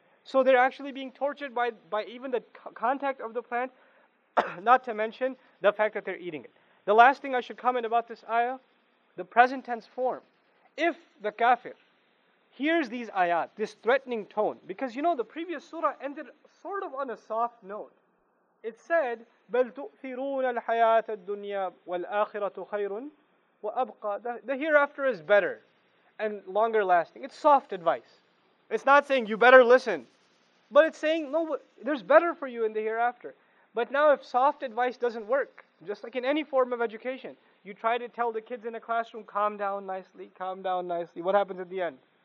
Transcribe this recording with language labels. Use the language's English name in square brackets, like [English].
[English] So they're actually being tortured by even the contact of the plant, not to mention the fact that they're eating it. The last thing I should comment about this ayah, the present tense form. If the kafir hears these ayat, this threatening tone, because the previous surah ended sort of on a soft note. It said, [Arabic] بَلْ تُؤْثِرُونَ الْحَيَاةَ الدُّنْيَا وَالْآخِرَةُ خَيْرٌ وَأَبْقَى. [English] The hereafter is better and longer lasting. It's soft advice. It's not saying you better listen. But it's saying, no, there's better for you in the hereafter. But now if soft advice doesn't work, just like in any form of education, you try to tell the kids in a classroom, calm down nicely. What happens at the end?